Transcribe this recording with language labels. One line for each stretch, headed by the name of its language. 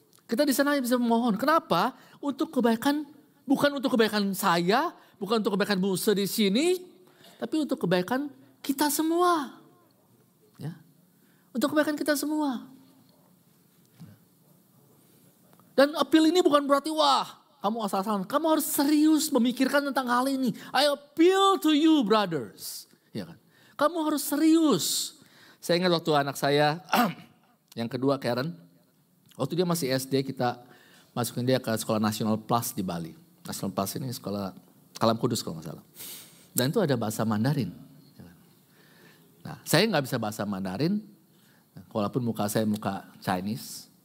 Indonesian: Kita di sana bisa memohon. Kenapa? Untuk kebaikan, bukan untuk kebaikan saya, bukan untuk kebaikan Musa di sini, tapi untuk kebaikan kita semua. Ya. Untuk kebaikan kita semua. Dan appeal ini bukan berarti wah, kamu asal-asalan. Kamu harus serius memikirkan tentang hal ini.
English: I appeal to you brothers.
Indonesian: Ya kan? Kamu harus serius. Saya ingat waktu anak saya yang kedua Karen, waktu dia masih SD kita masukin dia ke sekolah National Plus di Bali. National Plus ini sekolah Kalam Kudus kalau gak salah. Dan itu ada bahasa Mandarin. Nah, saya gak bisa bahasa Mandarin walaupun muka saya muka Chinese.